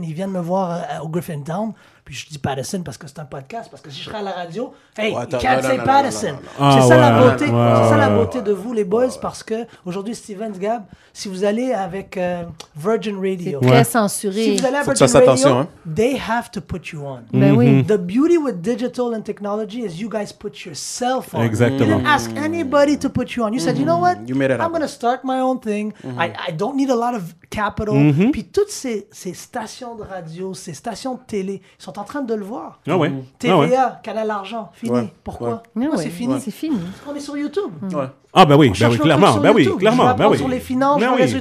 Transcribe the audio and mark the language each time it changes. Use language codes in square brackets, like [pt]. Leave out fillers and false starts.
[fr] Il vient de me voir au Griffin Town. Puis je dis Patterson parce que c'est un podcast, parce que si je serais à la radio, hey, Patterson. C'est ça la beauté de vous, les boys, parce que aujourd'hui, Steven, Gab, si vous allez avec Virgin Radio, c'est très censuré. Si vous allez à Virgin Radio, [en] they have to put you on. [fr] Ben oui. [en] The beauty with digital and technology is you guys put yourself on. [fr] Exactement. [en] You didn't ask anybody to put you on. You said, you know what? You made it I'm going to start my own thing. I don't need a lot of capital. Mm-hmm. [fr] Puis toutes ces stations de radio, ces stations de télé, sont en train de le voir. Ah ouais. TVA, ah ouais. Canal Argent, fini. Ouais. Pourquoi? Ouais. Non, c'est fini. Ouais. C'est fini. On est sur YouTube. Ouais. Ah ben oui, ben oui, clairement. Ben oui, clairement. Ben oui. Sur les finances, ben oui.